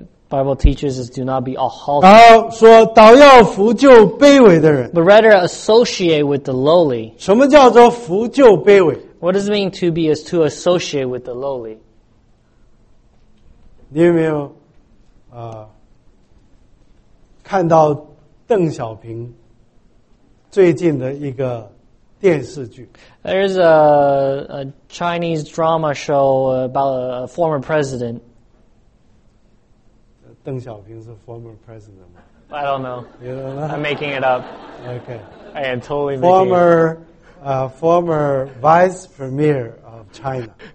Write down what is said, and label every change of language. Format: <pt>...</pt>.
<en>Bible teaches us do not be a haughty.</en> <zh>然后说倒要扶救卑微的人。</zh> <en>But rather associate with the lowly.</en> <zh>什么叫做扶救卑微？</zh> <en>What does it mean to be is to associate with the lowly?</en> <zh>你有没有看到邓小平最近的一个电视剧？</zh> <en>There is a Chinese drama show about a former president.</en> <zh>邓小平是 former president 吗？</zh> <en>I don't know. You don't know? I'm making it up. Okay. I am totally making former, former vice premier of China.</en>